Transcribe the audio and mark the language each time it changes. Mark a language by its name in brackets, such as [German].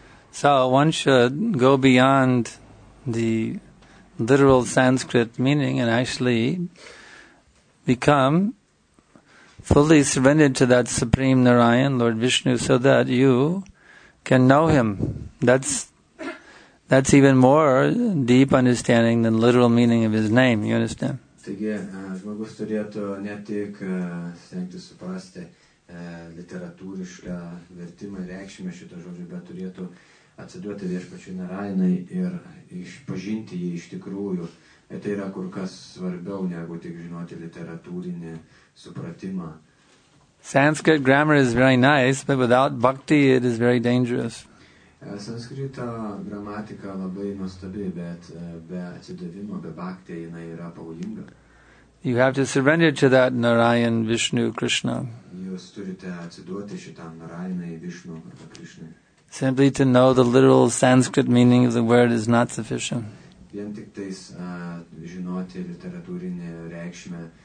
[English] So one should go beyond the literal Sanskrit meaning and actually become fully surrendered to that Supreme Narayan, Lord Vishnu, so that you can know him. That's even more deep understanding than literal meaning of his name. You understand? [Lithuanian] Taigi, žmogus turėtų ne tik stengti suprasti literatūrišką vertimą ir reikšmę šito žodžio, bet turėtų atsiduoti viešpačiui Narainai ir išpažinti jį iš tikrųjų. Tai yra kur kas svarbiau negu tik žinoti literatūrinį supratimą. [English] Sanskrit grammar is very nice, but without bhakti it is very dangerous. [Lithuanian] Sanskrito gramatika labai nuostabi, bet be atsidavimo, be bhakti, jinai yra pavojinga. [English] You have to surrender to that Narayan, Vishnu, Krishna. [Lithuanian] Jūs turite atsiduoti šitam Narayanai, Vishnu, Krishna. [English] Simply to know the literal Sanskrit meaning of the word is not sufficient. [Lithuanian] Vien tik tais žinoti literatūrinį reikšmę